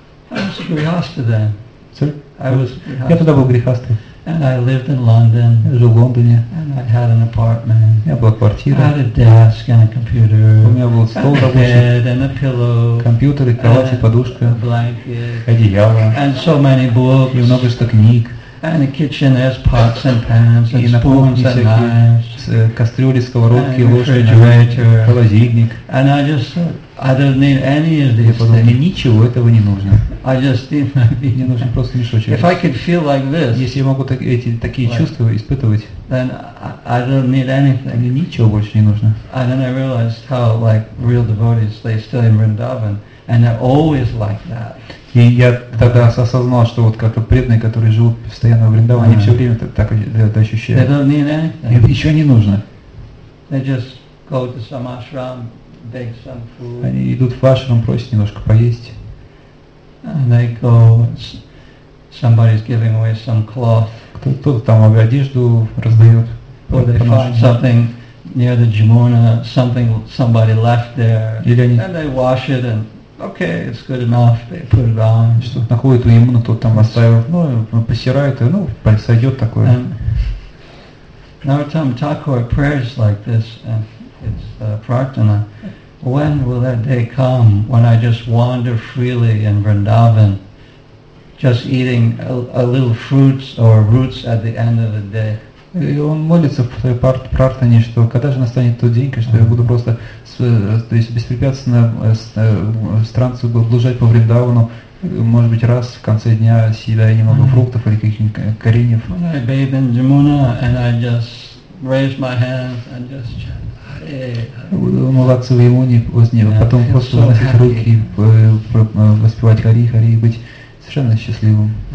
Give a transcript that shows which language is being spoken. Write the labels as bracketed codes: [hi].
[en] I was a grihastha then. Sir? I was [ru] grihastha. Я тогда был грихастой. [en] And I lived in London. [ru] Я жил в Лондоне. [en] And I had an apartment. [ru] У меня была квартира. [en] I had a desk and a computer. [ru] У меня был стол рабочий. [en] A bed and a pillow. [ru] Компьютер и кровать, и подушка. [en] A blanket. [ru] Одеяло. [en] And so many books. [ru] И множество книг. [en] And a kitchen has pots and pans and spoons and knives. [ru] Кастрюли, сковородки, ложки, холодильник. [en] And I just thought, I don't need any of these things. [ru] Мне ничего этого не нужно. [en] I just [ru] мне нужен просто мешочек. [en] If I could feel like this, [ru] если я могу эти такие чувства испытывать, [en] then I don't need anything. [ru] Мне ничего больше не нужно. [en] And then I realized how like real devotees they stay in Vrindavan and they're always like that. [ru] И я тогда осознал, что вот как-то преданные, которые живут постоянно в Вриндаване, они все время так это ощущают. [en] They don't need anything. [ru] Ничего не нужно. [en] They just go to some ashram. Beg some food. [ru] Они идут в ашрам, просят немножко поесть. [en] And they go, somebody's giving away some cloth. [ru] Кто-то там одежду раздает. [en] Or they find something near the Jamuna, something somebody left there. [ru] Или они... [en] And they wash it and okay, it's good enough. They put it on. [ru] Что-то находят у Ямуны, тот там оставил, ну, посирают и, ну, сойдет такое. [en] And Narottam Thakur prayers like this. And it's Prarthana. When will that day come when I just wander freely in Vrindavan, just eating a little fruits or roots at the end of the day? [ru] И он молится в своей Прарthane, что когда же настанет тот день, что я буду просто, то есть беспрепятственно странствовать, блуждать по Вриндавану, может быть раз в конце дня съедая немного фруктов или каких-нибудь кореньев. [en] When I bathe in Jamuna and I just raise my hands and just chant. [ru] Умываться в Ямуне, потом просто заносить руки, воспевать Хари, Хари и быть совершенно счастливым.